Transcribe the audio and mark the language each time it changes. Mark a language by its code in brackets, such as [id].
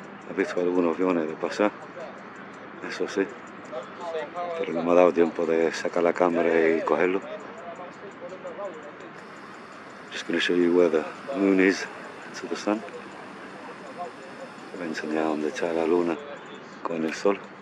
[es] He visto algunos aviones de pasar, eso sí, pero no me ha dado tiempo de sacar la cámara y cogerlo. [en] Just going to show you where the moon is to the sun. [es] Te voy a enseñar dónde está la luna con el sol.